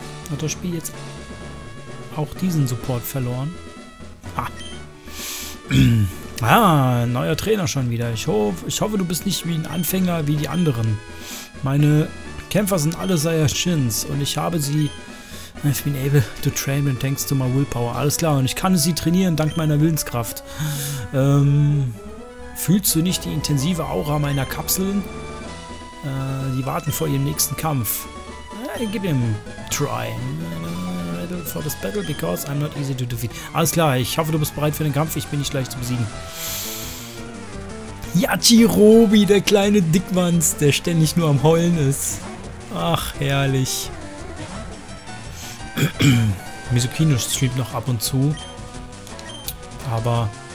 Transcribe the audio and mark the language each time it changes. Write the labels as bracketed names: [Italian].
[German] Hat das Spiel jetzt auch diesen Support verloren? Ha. Ah, neuer Trainer schon wieder. Ich hoffe, du bist nicht wie ein Anfänger wie die anderen. Meine Kämpfer sind alle Saiyajins und ich habe sie. [English] I've been able to train them thanks to my willpower. [German] Alles klar, und ich kann sie trainieren dank meiner Willenskraft. Fühlst du nicht die intensive Aura meiner Kapseln? Die warten vor ihrem nächsten Kampf. Gib ihm try. [English] For this battle because I'm not easy to defeat. [German] Alles klar, ich hoffe, du bist bereit für den Kampf. Ich bin nicht leicht zu besiegen. Yachirobi, der kleine Dickmanns, der ständig nur am Heulen ist. Ach, herrlich. Mizukino streamt noch ab und zu. Aber...